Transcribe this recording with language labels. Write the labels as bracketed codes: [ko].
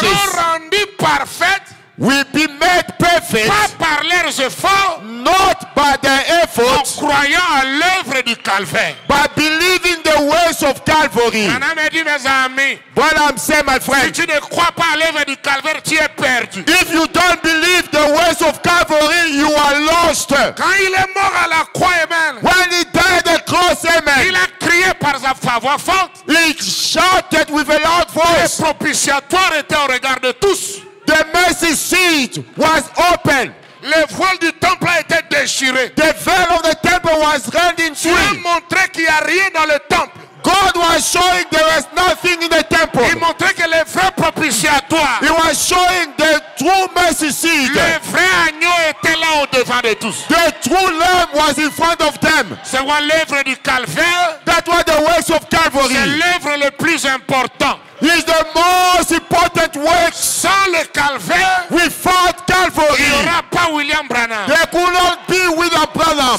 [fr] seront rendus parfaits, [en] will be made perfect, [fr] pas par leurs efforts, [en] not by their efforts, [fr] en croyant à l'œuvre du calvaire, [en] but believing the words of Calvary. [fr] Dit, mes amis, [en] what I'm saying, my friend, [fr] si tu ne crois pas à l'œuvre du calvaire, tu es perdu. [en] If you don't believe the words of Calvary, you are lost. [fr] Quand il est mort à la croix, amen. [en] When he died at the cross, amen. [fr] Il a crié par sa voix forte. [en] He shouted with a loud voice. [fr] Le propitiatoire était au regard de tous. [en] The mercy seat was open. [fr] Le voile du temple a été déchiré. [en] The veil of the temple was rent in two. [fr] Il a montré qu'il n'y a rien dans le temple. [en] God was showing there was nothing in the temple. [fr] Il montrait que le vrai propitiatoire. [en] He was showing the true mercy seat. [fr] Le vrai agneau était là au devant de tous. [en] The true lamb was in front of them. [fr] C'est quoi l'œuvre du calvaire? [en] That was the works of Calvary. [fr] C'est l'œuvre le plus important. [en] Is the most important work. [fr] Sans le calvaire, [en] without Calvary, [fr] il n'y aura pas William Branham. [en] There could not be William Branham.